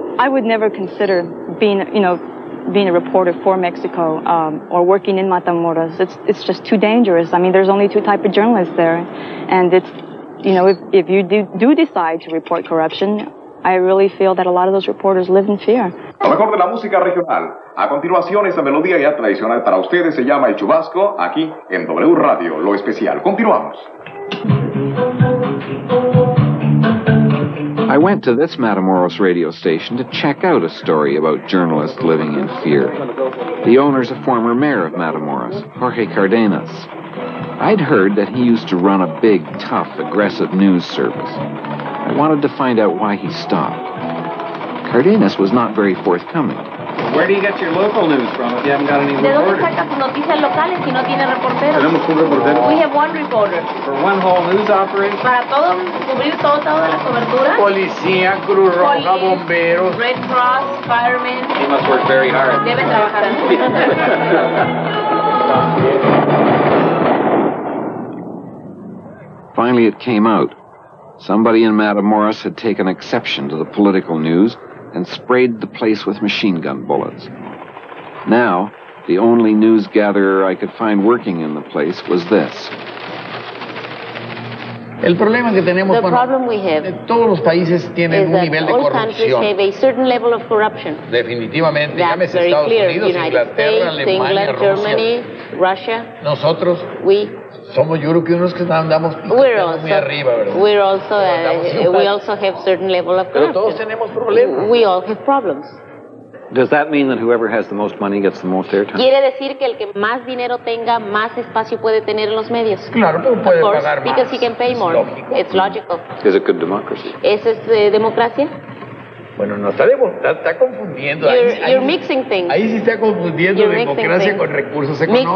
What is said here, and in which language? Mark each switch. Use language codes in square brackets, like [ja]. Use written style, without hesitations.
[en] I would never consider being a reporter for Mexico or working in Matamoros. It's just too dangerous. I mean, there's only two type of journalists there. And it's, you know, if you do decide to report corruption, I really feel that a lot of those reporters live in fear. [es] Lo mejor de la música regional. A continuación, esta melodía ya tradicional para ustedes se llama El Chubasco, aquí en W Radio, lo especial. Continuamos. [en] I went to this Matamoros radio station to check out a story about journalists living in fear. The owner's a former mayor of Matamoros, Jorge Cardenas. I'd heard that he used to run a big, tough, aggressive news service. I wanted to find out why he stopped. Cardenas was not very forthcoming. Where do you get your local news from if you haven't got any reporters? [es] ¿De dónde sacas noticias locales si no tienes reporteros? Tenemos un reportero. [en] We have one reporter. For one whole news operation? [es] Para todo, cubrir toda la cobertura. Policía, Cruz Roja, bomberos. [en] Red Cross, firemen. He must work very hard. [es] Debe trabajar así. [en] Finally, it came out. Somebody in Matamoros had taken exception to the political news and sprayed the place with machine gun bullets. Now, the only news gatherer I could find working in the place was this. The problem we have is that all countries have a certain level of corruption. [es] Definitivamente, [en] that's very clear. [es] Unidos, [en] United [es] Inglaterra, [en] States, [es] Alemania, [en] England, [es] Rusia. [en] Germany, Russia. [es] Nosotros. [en] We. We also have certain level of corruption. We all have problems. Does that mean that whoever has the most money gets the most airtime? [es] Quiere decir que el que más dinero tenga, más espacio puede tener en los medios. Claro, pero puede pagar más. [en] Because he can pay more. It's logical. Is it good democracy? [es] ¿Es democracia? Bueno, no está, está confundiendo. [en] You're mixing things. [es] Ahí sí está confundiendo [en] you're [es] democracia con recursos económicos.